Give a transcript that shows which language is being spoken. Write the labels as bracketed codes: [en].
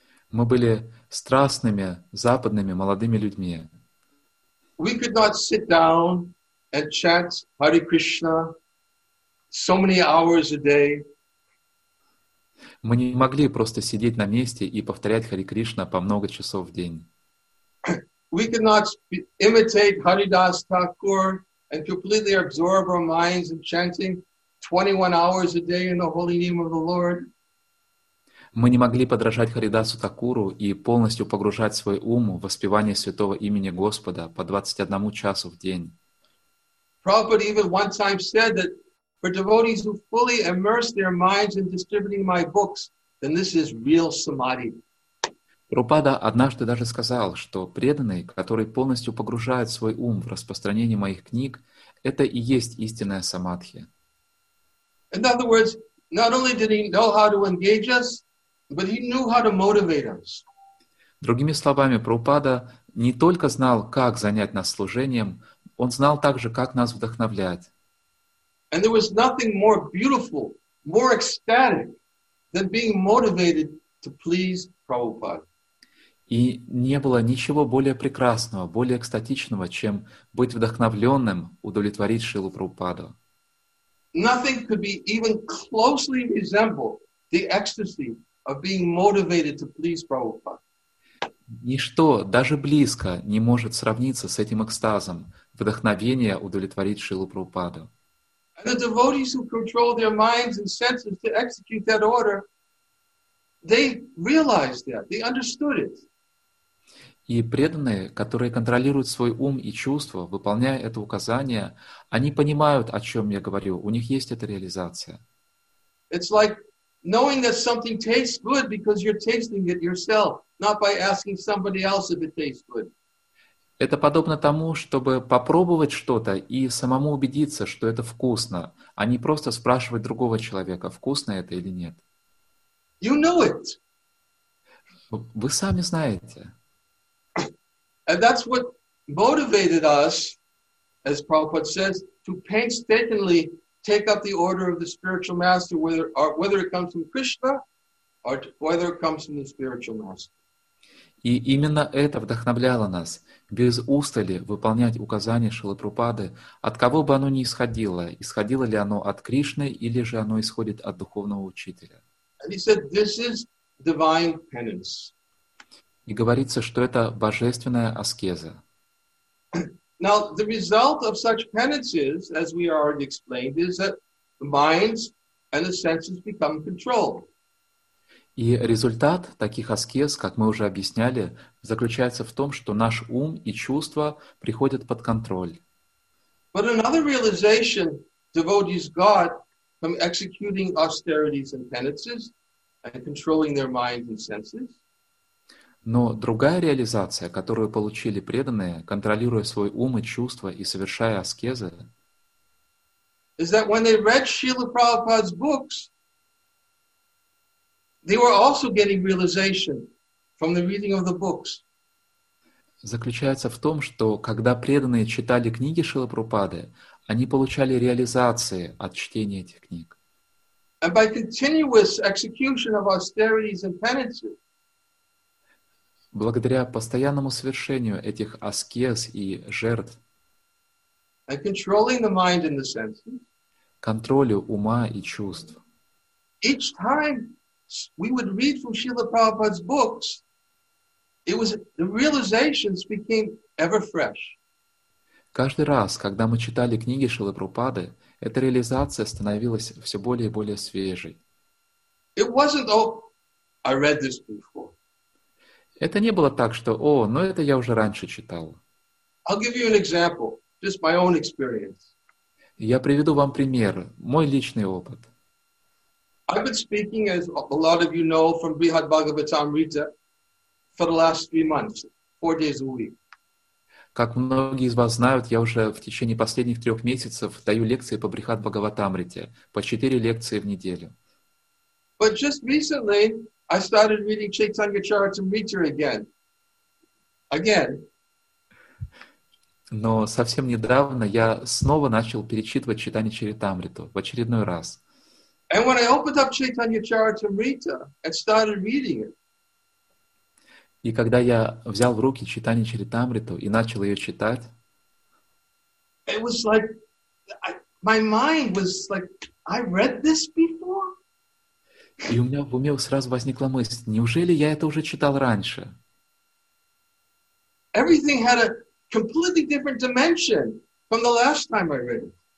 [ru] Мы были страстными западными молодыми людьми. [en] We could not sit down and chant Hare Krishna so many hours a day. [ru] Мы не могли просто сидеть на месте и повторять Хари Кришна по много часов в день. [en] We could not imitate Haridas Thakur and completely absorb our minds in chanting 21 hours a day in the holy name of the Lord. [ru] Мы не могли подражать Харидасу Такуру и полностью погружать свой ум в воспевание святого имени Господа по 21 часу в день. [en] Prabhupada even one time said that for devotees who fully immerse their minds in distributing my books, then this is real samadhi. [ru] Прабхупада однажды даже сказал, что преданный, который полностью погружает свой ум в распространение моих книг, это и есть истинная самадхи. [en] In other words, not only did he know how to engage us, but he knew how to motivate us. [ru] Другими словами, Прабхупада не только знал, как занять нас служением, он знал также, как нас вдохновлять. [en] And there was nothing more beautiful, more ecstatic than being motivated to please Prabhupada. [ru] И не было ничего более прекрасного, более экстатичного, чем быть вдохновленным, удовлетворить Шрилу Прабхупаду. [en] Nothing could be even closely resemble the ecstasy of being motivated to please Prabhupada. [ru] Ничто даже близко не может сравниться с этим экстазом вдохновения удовлетворить Шрилу Прабхупаду. [en] And the devotees who control their minds and senses to execute that order, they realized that, they understood it. [ru] И преданные, которые контролируют свой ум и чувства, выполняя это указание, они понимают, о чем я говорю. У них есть эта реализация. [en] It's like knowing that something tastes good because you're tasting it yourself, not by asking somebody else if it tastes good. [ru] Это подобно тому, чтобы попробовать что-то и самому убедиться, что это вкусно, а не просто спрашивать другого человека, вкусно это или нет. [en] You know it. [ru] Вы сами знаете. [en] And that's what motivated us, as Prabhupada says, to painstakingly take up the order of the spiritual master, whether it comes from Krishna or whether it comes from the spiritual master. [ru] И именно это вдохновляло нас без устали выполнять указания Шрилы Прабхупады, от кого бы оно ни исходило, исходило ли оно от Кришны или же оно исходит от духовного учителя. [en] And he said, this is divine penance. [ru] И говорится, что это божественная аскеза. [en] Now, the result of such penances, as we already explained, is that minds And the senses become controlled. [ru] И результат таких аскез, как мы уже объясняли, заключается в том, что наш ум и чувства приходят под контроль. [en] But another realization devotees got from executing austerities and penances and controlling their minds and senses. [ru] Но другая реализация, которую получили преданные, контролируя свой ум и чувства и совершая аскезы, [en] is that when they read Srila Prabhupada's books, they were also getting realization from the reading of the books. [ru] Заключается в том, что когда преданные читали книги Шрилы Прабхупады, они получали реализации от чтения этих книг. [en] And by continuous execution of austerities and penances, [ru] благодаря постоянному совершению этих аскез и жертв, [en] and controlling the mind and the senses, [ru] контролю ума и чувств, [en] each time we would read from Srila Prabhupada's books, it was the realizations became ever fresh. [ru] Каждый раз, когда мы читали книги Шрилы Прабхупады, эта реализация становилась все более и более свежей. [en] It wasn't, oh, I read this before. [ru] Это не было так, что, о, но это я уже раньше читал. [en] I'll give you an example, just my own experience. [ru] Я приведу вам пример, мой личный опыт. [en] I've been speaking, as a lot of you know, from Brihad Bhagavatamrita for the last 3 months, 4 days a week. [ru] Как многие из вас знают, я уже в течение последних 3 месяцев даю лекции по Брихад Бхагаватамрите, по 4 лекции в неделю. [en] But just recently, I started reading Chaitanya Charitamrita again. Again. [ru] Но совсем недавно я снова начал перечитывать Чайтанья Чаритамриту в очередной раз. [en] And when I opened up Chaitanya Charitamrita and started reading it, [ru] и когда я взял в руки Чайтанья Чаритамриту и начал ее читать, [en] it was like, my mind was like, I read this before? [ru] И у меня в уме сразу возникла мысль, неужели я это уже читал раньше? [en] Everything had a completely different dimension from the last time I read it.